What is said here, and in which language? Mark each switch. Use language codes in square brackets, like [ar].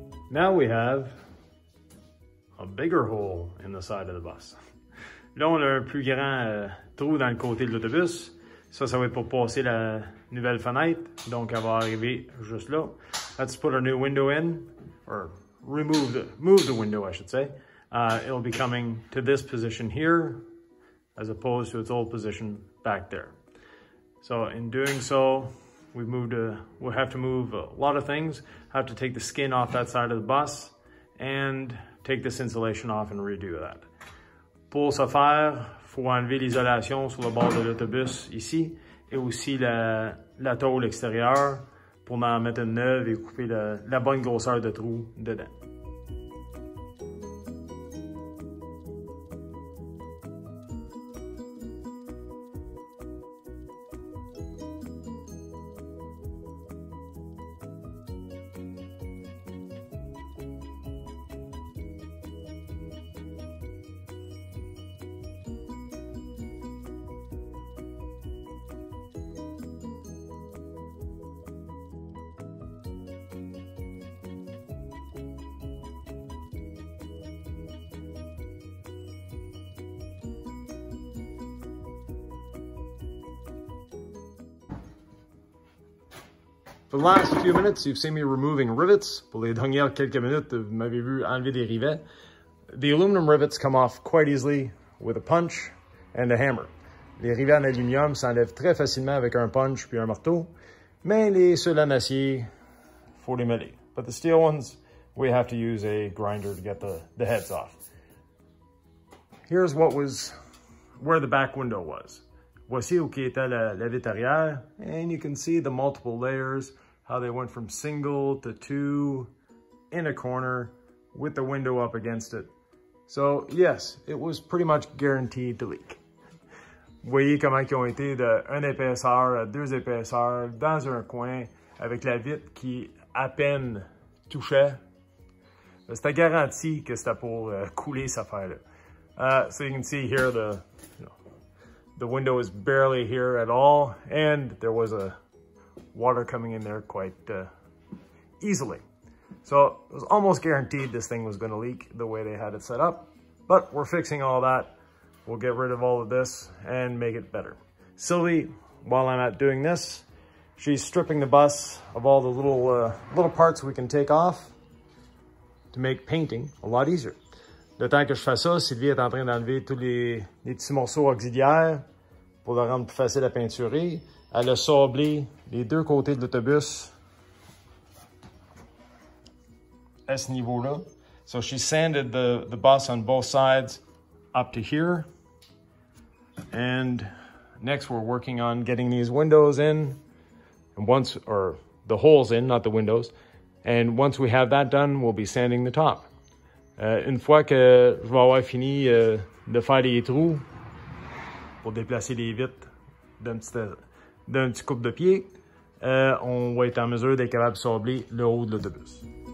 [en] Now we have a bigger hole in the side of the bus. [fr] Là, on a un plus grand trou dans le côté de l'autobus. Ça, ça va être pour passer la nouvelle fenêtre. Donc, elle va arriver juste là. [en] Let's put our new window in. Or move the window, I should say. It'll be coming to this position here, as opposed to its old position back there. So in doing so, we'll have to move a lot of things, have to take the skin off that side of the bus and take this insulation off and redo that. [fr] Pour ce faire, faut enlever l'isolation sur le bord de l'autobus ici et aussi la tôle extérieure pour en mettre une neuve et couper la bonne grosseur de trou dedans. [en] For the last few minutes, you've seen me removing rivets. [fr] Pour les dernières quelques minutes, vous m'avez vu enlever des rivets. [en] The aluminum rivets come off quite easily with a punch and a hammer. [fr] Les rivets en aluminium s'enlèvent très facilement avec un punch puis un marteau. Mais les ceux en acier, faut les mêler. [en] But the steel ones, we have to use a grinder to get the heads off. Here's what was where the back window was. [fr] Voici où était la vitre arrière. [en] And you can see the multiple layers, how they went from single to two in a corner with the window up against it. So yes, it was pretty much guaranteed to leak. [fr] Voyez comment ils ont été de un épaisseur à deux épaisseurs dans un coin avec la vitre qui à peine touchait. C'était garanti que c'était pour couler cette affaire-là. [en] So you can see here the window is barely here at all, and there was a water coming in there quite easily. So it was almost guaranteed this thing was gonna leak the way they had it set up, but we're fixing all that. We'll get rid of all of this and make it better. Sylvie, while I'm out doing this, she's stripping the bus of all the little parts we can take off to make painting a lot easier. [fr] Le temps que je fais ça, Sylvie est en train d'enlever tous les petits morceaux auxiliaires pour le rendre plus facile à peinturer. Elle a sablé les deux côtés de l'autobus à ce niveau-là. [en] So she sanded the bus on both sides up to here. And next we're working on getting these windows in. The holes in, not the windows. And once we have that done, we'll be sanding the top. [fr] Une fois que je vais avoir fini de faire les trous pour déplacer les vitres d'un petit coupe de pied, on va être en mesure d'être capable de sabler le haut de l'autobus.